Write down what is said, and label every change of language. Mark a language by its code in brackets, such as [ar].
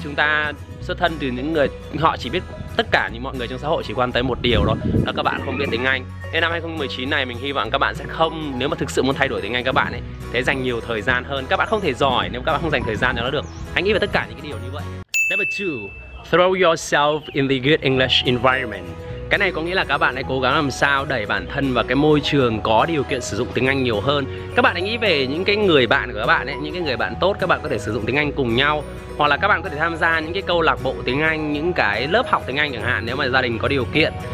[vi] Chúng ta xuất thân từ những người họ chỉ biết, tất cả những mọi người trong xã hội chỉ quan tâm một điều đó là các bạn không biết tiếng Anh. Nên năm 2019 này mình hy vọng các bạn sẽ không, nếu mà thực sự muốn thay đổi tiếng Anh các bạn ấy, thế dành nhiều thời gian hơn. Các bạn không thể giỏi nếu các bạn không dành thời gian cho nó được. Hãy nghĩ về tất cả những cái điều như vậy. [en] Number 2, throw yourself in the good English environment. [vi] Cái này có nghĩa là các bạn hãy cố gắng làm sao đẩy bản thân vào cái môi trường có điều kiện sử dụng tiếng Anh nhiều hơn. Các bạn hãy nghĩ về những cái người bạn của các bạn ấy, những cái người bạn tốt các bạn có thể sử dụng tiếng Anh cùng nhau. Hoặc là các bạn có thể tham gia những cái câu lạc bộ tiếng Anh, những cái lớp học tiếng Anh chẳng hạn nếu mà gia đình có điều kiện.